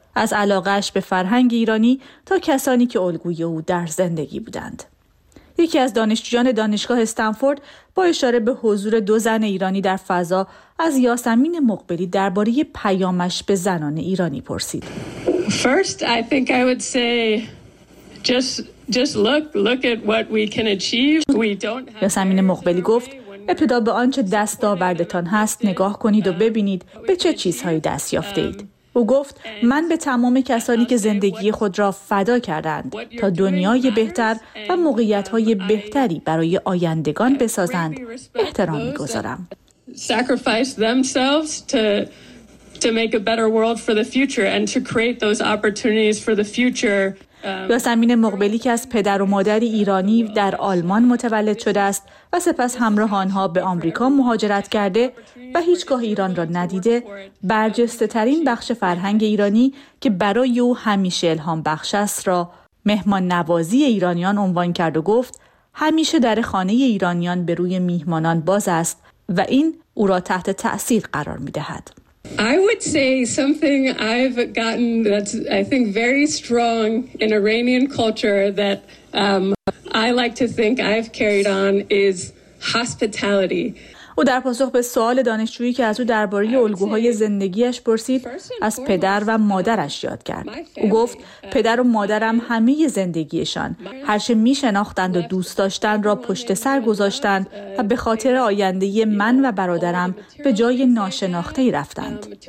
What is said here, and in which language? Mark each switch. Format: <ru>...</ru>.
<fa>از علاقه‌اش به فرهنگ ایرانی تا کسانی که الگوی او در زندگی بودند. یکی از دانشجویان دانشگاه استنفورد با اشاره به حضور دو زن ایرانی در فضا از یاسمین مقبلی درباره پیامش به زنان ایرانی پرسید.</fa> <en>First, I think I would say just look at what we can achieve. We don't have.</en> <fa>یاسمین مقبلی گفت: ابتدا به آنچه دستاوردتان هست نگاه کنید و ببینید به چه چیزهایی دست یافته اید. او گفت: من به تمام کسانی که زندگی خود را فدا کردند تا دنیای بهتر و موقعیت‌های بهتری برای آیندگان بسازند احترام می‌گذارم.</fa> <en>Sacrifice themselves to make a better world for the future and to create those opportunities for the future.</en> <fa>یاسمین مقبلی که از پدر و مادر ایرانی در آلمان متولد شده است و سپس همراه آنها به آمریکا مهاجرت کرده و هیچگاه ایران را ندیده، برجسته ترین بخش فرهنگ ایرانی که برای او همیشه الهام بخش است را مهمان نوازی ایرانیان عنوان کرد و گفت: همیشه در خانه ایرانیان به روی میهمانان باز است و این او را تحت تأثیر قرار می دهد.</fa> <en>I would say something I've gotten that's I think very strong in Iranian culture that I like to think I've carried on is hospitality.</en> <fa>او در پاسخ به سوال دانشجویی که از او درباره الگوهای زندگیش پرسید، از پدر و مادرش یاد کرد. او گفت: پدر و مادرم همه زندگیشان، هرچه می شناختند و دوست داشتند را پشت سر گذاشتند و به خاطر آینده من و برادرم به جای ناشناخته‌ای رفتند.</fa>